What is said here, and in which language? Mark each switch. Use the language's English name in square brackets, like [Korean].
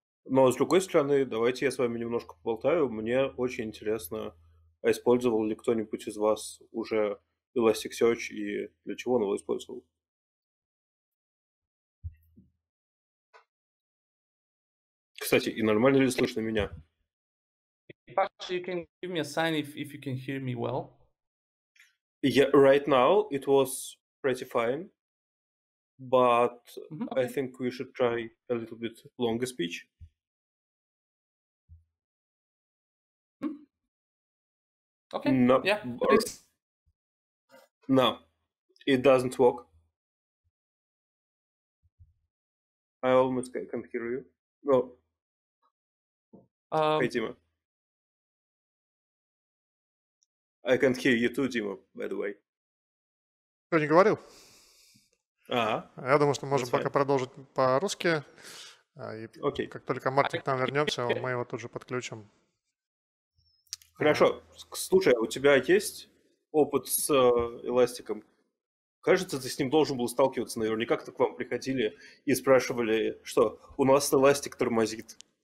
[Russian] Но с другой стороны, давайте я с вами немножко поболтаю. Мне очень интересно, а использовал ли кто-нибудь из вас уже Elasticsearch и для чего он его использовал? Кстати, и нормально ли слышно меня? [English] Actually, you can give me a sign if you can hear me well. Yeah, right now it was pretty fine. But I think we should try a little bit longer speech. Okay. No. Yeah. No, it doesn't work. I almost can hear you. No. Hey, Dima. I can hear you too, Dima, by the way. [Russian] Что не говорил? Ага. Я думаю, что можем пока продолжить по-русски. И как только Мартин к нам вернется, мы его тут же подключим. Хорошо. Слушай, у тебя есть опыт с эластиком? Кажется, ты с ним должен был сталкиваться. Наверняка как-то к вам приходили и спрашивали, что у нас эластик тормозит.